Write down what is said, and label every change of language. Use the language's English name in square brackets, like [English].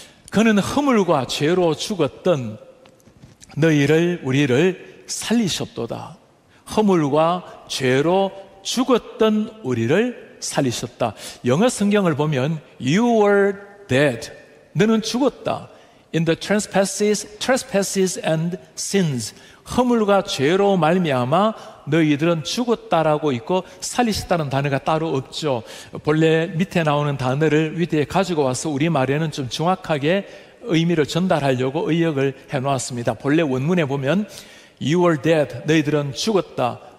[Korean] 그는 허물과 죄로 죽었던 너희를 우리를 살리셨도다. 허물과 죄로 죽었던 우리를 살리셨다. 영어 성경을 보면 [English] You were dead. [Korean] 너는 죽었다. [English] In the trespasses and sins. [Korean] 허물과 죄로 말미암아 너희들은 죽었다라고 있고 살리셨다는 단어가 따로 없죠. 본래 밑에 나오는 단어를 위대에 가지고 와서 우리말에는 좀 정확하게 의미를 전달하려고 의역을 해놓았습니다. 본래 원문에 보면 [English] You were dead. [Korean] 너희들은 죽었다.